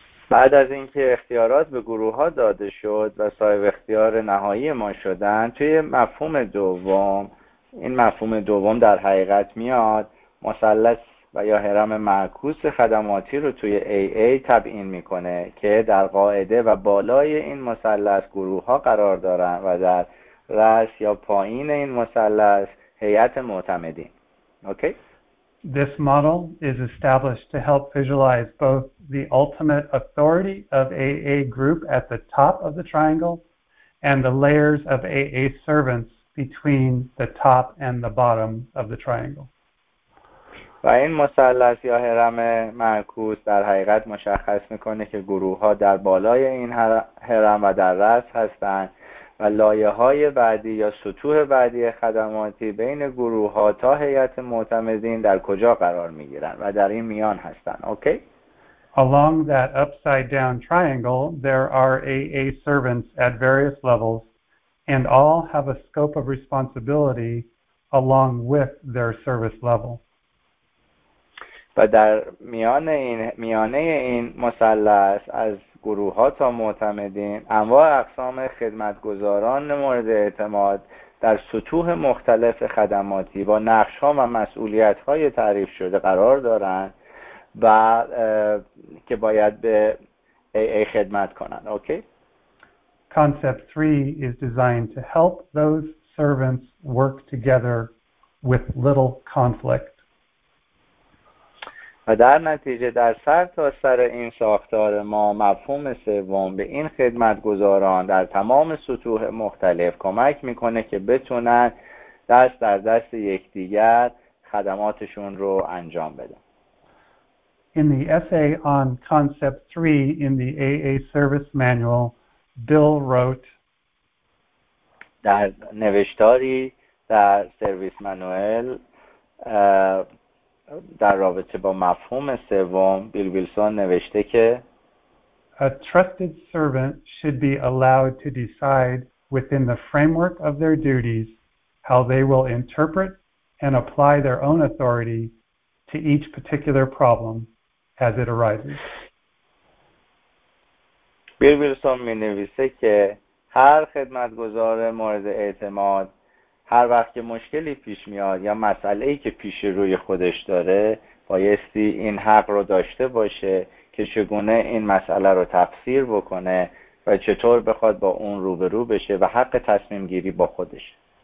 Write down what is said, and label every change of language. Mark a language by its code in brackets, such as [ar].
[fa] بعد از اینکه اختیارات به گروه ها داده شد و صاحب اختیار نهایی ما شدن توی مفهوم دوم، این مفهوم دوم در حقیقت میاد مثلث و یا هرم معکوس خدماتی رو توی AA تبیین میکنه که در قاعده و بالای این مثلث گروه ها قرار دارن و در رأس یا پایین این مثلث هیئت معتمدین. [en] Okay? This model is established to help visualize both the ultimate authority of AA group at the top of the triangle and the layers of AA servants between the top and the bottom of the triangle. [fa] و این مثلث یا هرم معکوس در حقیقت مشخص میکنه که گروه ها در بالای این هرم و در رأس هستند و لایه های بعدی یا سطوح بعدی خدماتی بین گروه ها تا هیئت معتمدین در کجا قرار میگیرن و در این میان هستند. اوکی؟ [en] Along that upside down triangle, there are AA servants at various levels, and all have a scope of responsibility along with their service level. But [fa] در میانه این مثلث از گروه ها تا معتمدین انواع اقسام خدمتگزاران مورد اعتماد در سطوح مختلف خدماتی با نقش ها و مسئولیت های تعریف شده قرار دارند و که باید به AA خدمت کنند. [en] Okay? Concept 3 is designed to help those servants work together with little conflict. [fa] و در نتیجه در سر تا سر این ساختار ما مفهوم سوم به این خدمتگزاران در تمام سطوح مختلف کمک میکنه که بتونن دست در دست یکدیگر خدماتشون رو انجام بدن. [en] In the essay on concept 3 in the AA service manual, Bill wrote [fa] در نوشتاری در سرویس مانوئل در رابطه با مفهوم سوم بیل ویلسون نوشته که [en] A trusted servant should be allowed to decide within the framework of their duties how they will interpret and apply their own authority to each particular problem as it arises. [fa] بیل ویلسون می نویسه که هر خدمتگزار مورد اعتماد هر وقت که مشکلی پیش میاد یا مسئله‌ای که پیش روی خودش داره بایستی این حق رو داشته باشه که چگونه این مسئله رو تفسیر بکنه و چطور بخواد با اون روبرو بشه و حق تصمیم گیری با خودش.